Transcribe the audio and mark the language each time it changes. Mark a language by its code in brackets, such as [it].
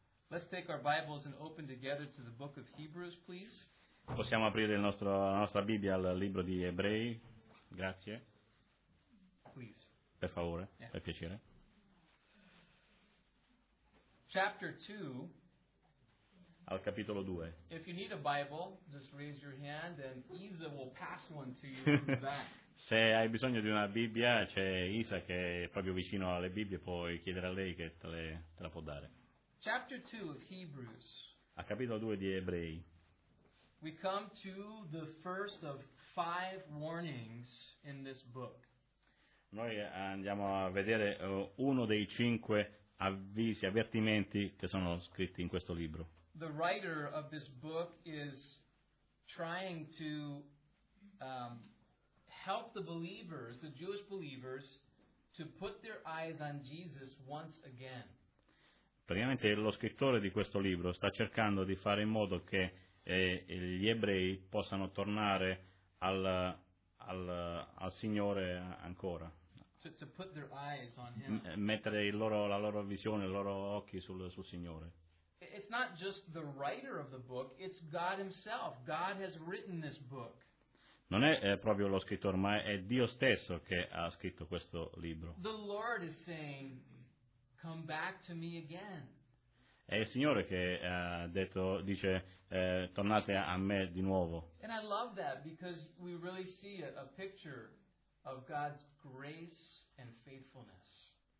[en] Let's take our Bibles and open together to the book of Hebrews, please. [it] Possiamo aprire la nostra Bibbia al libro di Ebrei. Grazie. [en] Please. [it] Per favore, yeah. Per piacere. [en] Chapter 2. [it] Al capitolo 2. [en] If you need a Bible, just raise your hand and Isa will pass one to you from the back. [it] Se hai bisogno di una Bibbia, c'è Isa che è proprio vicino alle Bibbie, puoi chiedere a lei che te la può dare. [en] Chapter 2 of Hebrews. [it] Al capitolo 2 di Ebrei. [en] We come to the first of five warnings in this book. [it] Noi andiamo a vedere uno dei cinque avvisi, avvertimenti che sono scritti in questo libro. [en] The writer of this book is trying to help the believers, the Jewish believers, to put their eyes on Jesus once again. [it] Praticamente lo scrittore di questo libro sta cercando di fare in modo che gli ebrei possano tornare al Signore ancora. [en] To put their eyes on him. [it] Mettere la loro visione, I loro occhi sul Signore. [en] It's not just the writer of the book, it's God himself. God has written this book. [it] Non è proprio lo scrittore, ma è Dio stesso che ha scritto questo libro. [en] The Lord is saying, come back to me again. [it] È il Signore che ha detto, dice, tornate a me di nuovo. [en] And I love that because we really see a picture of God's grace and faithfulness.